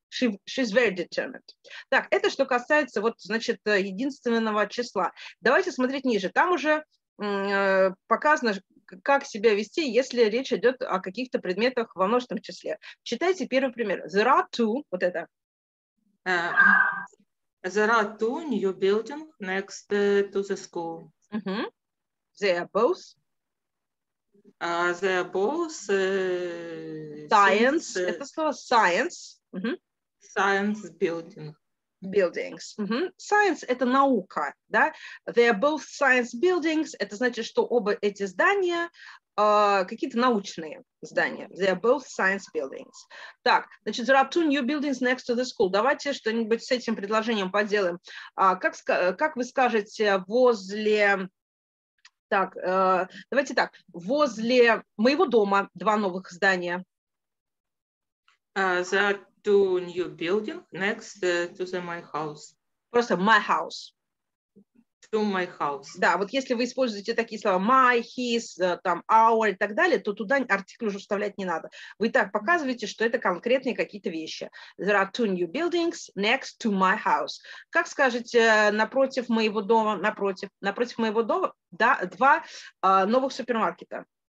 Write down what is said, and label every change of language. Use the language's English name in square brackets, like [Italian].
[English] She's very determined. [Russian] Так, это что касается, вот, значит, единственного числа. Давайте смотреть ниже. Там уже показано, как себя вести, если речь идет о каких-то предметах во множественном числе. Читайте первый пример. [English] There are two, [Russian] вот это. [English] There are two new buildings next to the school. Uh-huh. They are both. They are both [Russian] science. Это слово science. [English] Uh-huh. Science building. Buildings. Uh-huh. Science – [Russian] это наука, да? [English] They are both science buildings. [Russian] Это значит, что оба эти здания какие-то научные здания. [English] They are both science buildings. [Russian] Так, значит, [English] there are two new buildings next to the school. [Russian] Давайте что-нибудь с этим предложением поделаем. Как вы скажете, возле... Так, давайте так. Возле моего дома два новых здания. [English] There are two new buildings next to the my house. [Russian] Просто [English] my house. To my house. [Russian] Да, вот если вы используете такие слова my, his, там our и так далее, то туда артикль уже вставлять не надо. Вы так показываете, что это конкретные какие-то вещи. [English] There are two new buildings next to my house. [Russian] Как скажете, напротив моего дома, напротив моего дома, да, два новых супермаркета.